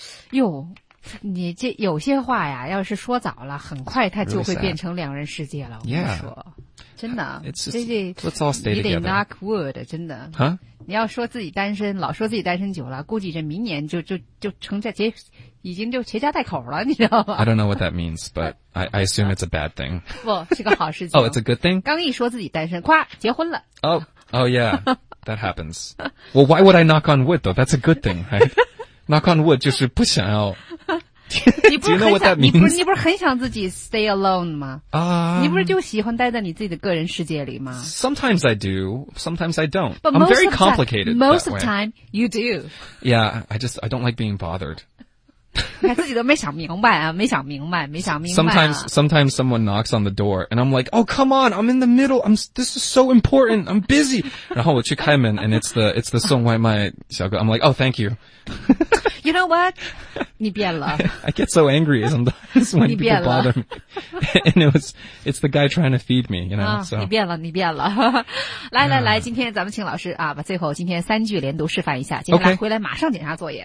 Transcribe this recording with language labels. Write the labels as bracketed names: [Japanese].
[Chinese] 哟，你这有些话呀，要是说早了，很快它就会变成两人世界了。 [English] Really、 [Chinese] 我说， yeah. 真的， [English] let's all stay together. [Chinese] 你得 [English] knock wood， [Chinese] 真的。啊、huh? ？你要说自己单身，老说自己单身久了，估计这明年就成家结，已经就结家带口了，你知道吗 [English] ？I don't know what that means, but I assume it's a bad thing. [Chinese] 不是个好事情。 [English] Oh, it's a good thing. [Chinese] 刚一说自己单身，夸结婚了。 [English] Oh, yeah. That happens. Well, why would I knock on wood, though? That's a good thing, right? Knock on wood [Chinese] 就是不想要 [English] Do you know what that means? [Chinese] 你不是很想自己 stay alone 吗？啊、你不是就喜欢待在你自己的个人世界里吗？ [English] Sometimes I do. Sometimes I don't. But I'm very complicated that way. Most of the time, you do. Yeah, I don't like being bothered. [Chinese] 还自己都没想明白啊，没想明白、啊。 [English] Sometimes someone knocks on the door, and I'm like, oh, come on, I'm in the middle, this is so important, I'm busy. [Chinese] 然后我去开门 [English] and it's the [Chinese] 送外卖小哥 [English] I'm like, oh, thank you. You know what? [Chinese] 你变了。 [English] I get so angry sometimes when people bother me. And it's the guy trying to feed me, you know.、 [Chinese] 你变了，你变了。来来来，今天咱们请老师啊，把最后今天三句连读示范一下。接下来回来马上检查作业。